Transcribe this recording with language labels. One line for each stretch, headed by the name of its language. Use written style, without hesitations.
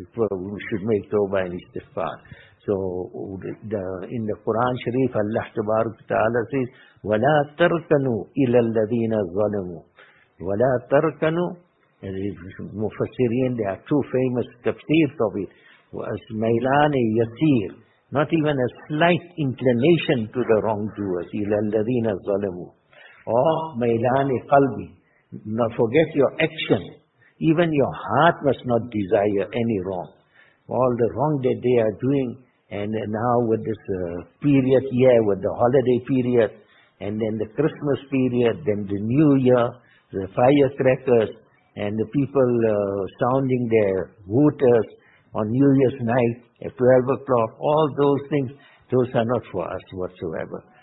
English: We should make tawbah and istighfar. So in the Quran Sharif, Allah Ta'ala says,
Arabic: وَلَا تَرْكَنُوا إِلَى الَّذِينَ ظَلَمُوا وَلَا تَرْكَنُوا.
English: And Mufassirin, there are two famous tafsirs of it.
Arabic: وَأَسْمَيْلَانِ يَسِيرِ.
English: Not even a slight inclination to the wrongdoers.
Arabic: إِلَى الَّذِينَ ظَلَمُوا.
English: Or
Arabic: مَيْلَانِ قَلْبِ.
English: Now forget your action. Even your heart must not desire any wrong. All the wrong that they are doing, and now with this period year, with the holiday period, and then the Christmas period, then the New Year, the firecrackers, and the people sounding their hooters on New Year's night at 12 o'clock, all those things, those are not for us whatsoever.